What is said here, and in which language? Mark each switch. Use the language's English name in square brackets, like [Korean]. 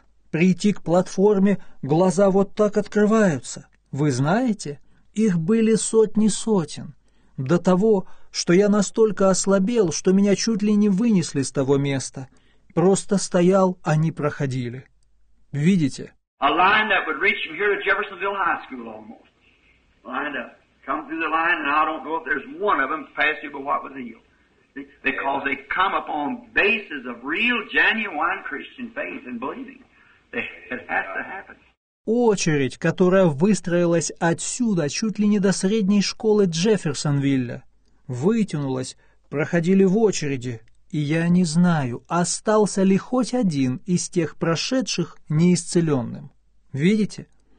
[Russian] Прийти к платформе, глаза вот так открываются. Вы знаете? Их были сотни сотен. До того, что я настолько ослабел, что меня чуть ли не вынесли с того места. Просто стоял, они проходили. Видите? [English] A line that would reach from here to Jeffersonville High School almost. Lined up. Come through the line, and I don't know if there's one of them past you but what was healed. Because they come upon bases of real, genuine Christian faith and believing. It has to happen. [Russian] Очередь, которая выстроилась отсюда, чуть ли не до средней школы Джефферсонвилля, вытянулась, проходили в очереди. И я не знаю, остался ли хоть один из тех прошедших неисцеленным. Видите?